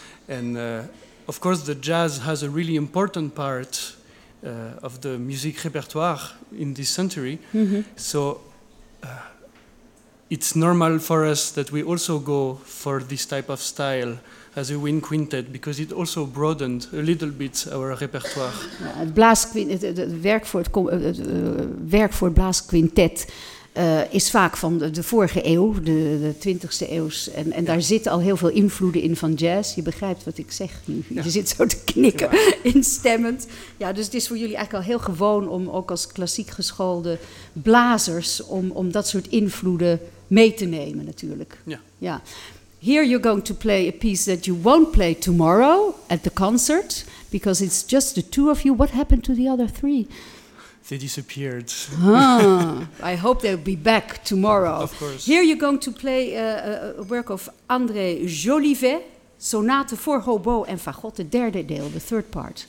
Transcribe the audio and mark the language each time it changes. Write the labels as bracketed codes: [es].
[en] And of course, the jazz has a really important part of the music repertoire in this century. Mm-hmm. So it's normal for us that we also go for this type of style as a wind quintet, because it also broadened a little bit our repertoire. [nl] Het werk voor het blaasquintet is vaak van de vorige eeuw, de 20e eeuw. En yeah. Daar zitten al heel veel invloeden in van jazz. Je begrijpt wat ik zeg nu. Yeah. Je zit zo te knikken, instemmend. Ja, dus het is voor jullie eigenlijk al heel gewoon om ook als klassiek geschoolde blazers om dat soort invloeden mee te nemen natuurlijk. Yeah. Ja. [en] Here you're going to play a piece that you won't play tomorrow at the concert because it's just the two of you. What happened to the other three? They disappeared. I hope they'll be back tomorrow. Of course. Here you're going to play a work of André Jolivet, Sonate for Hobo and Fagot, the [nl] derde deel, [en] the third part.